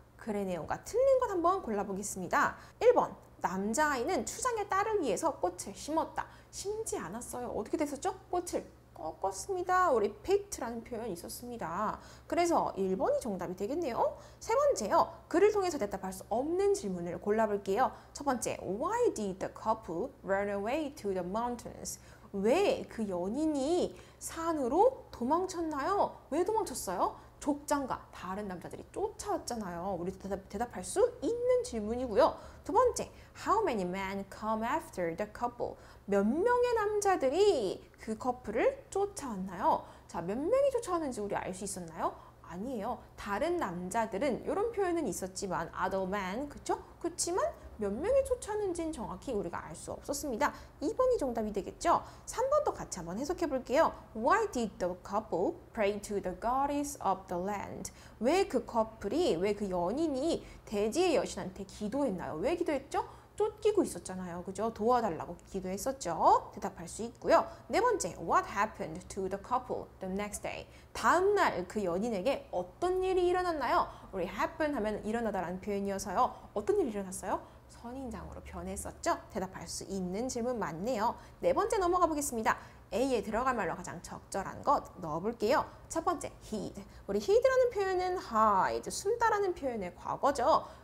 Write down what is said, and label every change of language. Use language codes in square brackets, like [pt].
[ko] 글의 내용과 틀린 것 한번 골라보겠습니다. 1번, 남자아이는 추장의 딸을 위해서 꽃을 심었다. 심지 않았어요. 어떻게 됐었죠? 꽃을 꺾었습니다. 우리 picked라는 표현이 있었습니다. 그래서 1번이 정답이 되겠네요. 세 번째요. 글을 통해서 대답할 수 없는 질문을 골라볼게요. 첫 번째, [en] Why did the couple run away to the mountains? [ko] 왜 그 연인이 산으로 도망쳤나요? 왜 도망쳤어요? 족장과 다른 남자들이 쫓아왔잖아요. 우리 대답할 수 있는 질문이고요. 두 번째, [en] How many men come after the couple? [ko] 몇 명의 남자들이 그 커플을 쫓아왔나요? 자, 몇 명이 쫓아왔는지 우리 알 수 있었나요? 아니에요. 다른 남자들은 이런 표현은 있었지만 other men, 그쵸? 그치만 몇 명이 쫓아왔는지는 정확히 우리가 알 수 없었습니다. 2번이 정답이 되겠죠? 3번도 같이 한번 해석해 볼게요. [en] Why did the couple pray to the goddess of the land? [ko] 왜 그 커플이, 왜 그 연인이 대지의 여신한테 기도했나요? 왜 기도했죠? 쫓기고 있었잖아요. 그죠? 도와달라고 기도했었죠. 대답할 수 있고요. 네 번째, [en] What happened to the couple the next day? [ko] 다음날 그 연인에게 어떤 일이 일어났나요? 우리 happen 하면 일어나다라는 표현이어서요. 어떤 일이 일어났어요? 선인장으로 변했었죠? 대답할 수 있는 질문 맞네요. 네 번째 넘어가 보겠습니다. A에 들어갈 말로 가장 적절한 것 넣어볼게요. 첫 번째, hid. 우리 hid라는 표현은 hide, 숨다라는 표현의 과거죠.